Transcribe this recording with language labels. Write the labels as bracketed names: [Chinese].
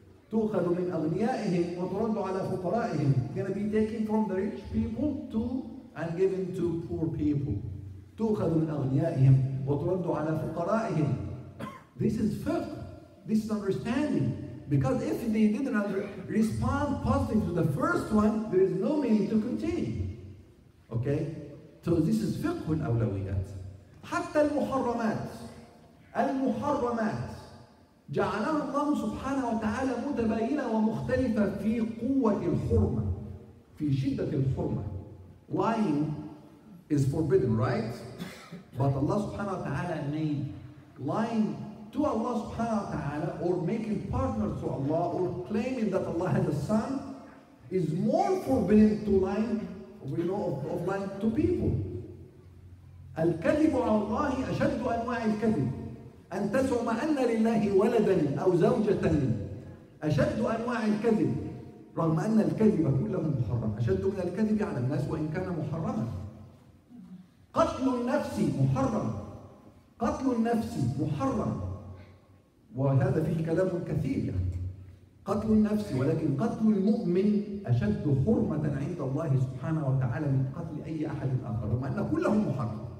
[Arabic] تُوْخَذُ مِنْ أَغْنِيَائِهِمْ وَتُرَدُ عَلَى فُقَرَائِهِمْ [English] Gonna be taken from the rich people to and given to poor people. [Arabic] تُوْخَذُ مِنْ أَغْنِيَائِهِمْ وَتُرَدُ عَلَى فُقَرَائِهِمْ [English] This is fiqh. This is understanding. Because if they didn't respond positively to the first one, there is no meaning to continue. Okay? So this is fiqh الأولويات. [Arabic] حَتَّى الْمُحَرَّمَاتِ الْمُحَرَّمَاتِ جعلها الله سبحانه وتعالى متباينة ومختلفة في قوة الحرمة في شدة الحرمة [English] Lying is forbidden, right? But Allah [Arabic] سبحانه وتعالى [English] named lying to Allah سبحانه وتعالى or making partners to Allah or claiming that Allah has a son is more forbidden to lying, we know, of lying to people. [Arabic] الكذب على الله أشد أنواع الكذب أن تزعم أن لله ولدا أو زوجة أشد أنواع الكذب رغم أن الكذب كله محرم أشد من الكذب على الناس وإن كان محرما قتل النفس محرم قتل النفس محرم وهذا فيه كلام كثير قتل النفس ولكن قتل المؤمن أشد حرمة عند الله سبحانه وتعالى من قتل أي أحد آخر رغم أن كله محرم